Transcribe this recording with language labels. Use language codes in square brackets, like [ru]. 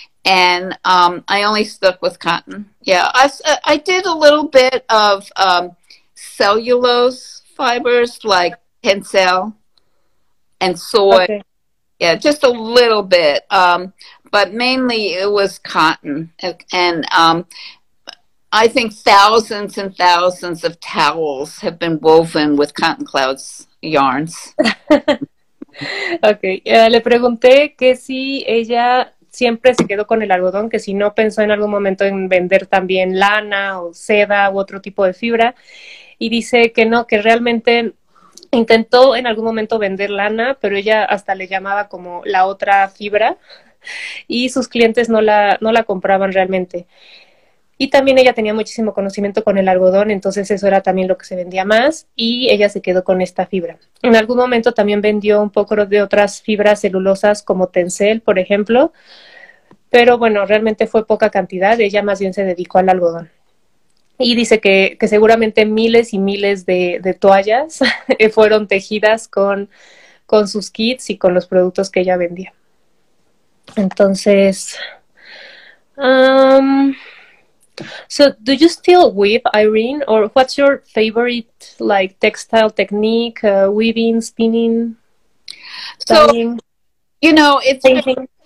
[en] And I only stuck with cotton. Yeah, I did a little bit of cellulose fibers like tencel and soy. Okay. Yeah, just a little bit, but mainly it was cotton, and I think thousands and thousands of towels have been woven with Cotton Clouds yarns. [es] Okay, le pregunté que si ella siempre se quedó con el algodón, que si no pensó en algún momento en vender también lana o seda u otro tipo de fibra, y dice que no, que realmente intentó en algún momento vender lana, pero ella hasta le llamaba como la otra fibra y sus clientes no la compraban realmente. Y también ella tenía muchísimo conocimiento con el algodón, entonces eso era también lo que se vendía más y ella se quedó con esta fibra. En algún momento también vendió un poco de otras fibras celulosas como tencel, por ejemplo, pero bueno, realmente fue poca cantidad, ella más bien se dedicó al algodón. Y dice que seguramente miles y miles de toallas fueron tejidas con sus kits y con los productos que ella vendía. Entonces, [en] so do you still weave, Irene, or what's your favorite like textile technique, weaving, spinning? So, dyeing, you know, it's painting.